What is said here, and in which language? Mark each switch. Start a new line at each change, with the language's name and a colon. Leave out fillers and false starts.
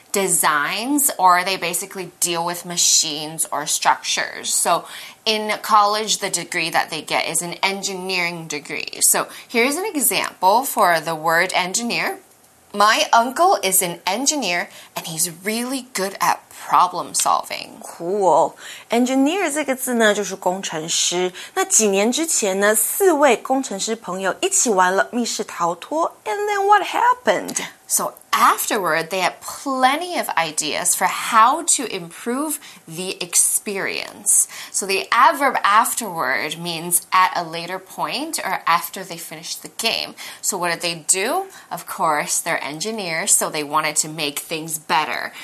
English: designs, or they basically deal with machines or structures. So in college, the degree that they get is an engineering degree. So here's an example for the word engineer. My uncle is an engineer, and he's really good at problem solving.
Chinese: Cool. Engineer 这个字呢，就是工程师。那几年之前呢，四位工程师朋友一起玩了密室逃脱。
English: And then what happened? So afterward, they had plenty of ideas for how to improve the experience. So the adverb afterward means at a later point or after they finished the game. So what did they do? Of course, they're engineers, so they wanted to make things better.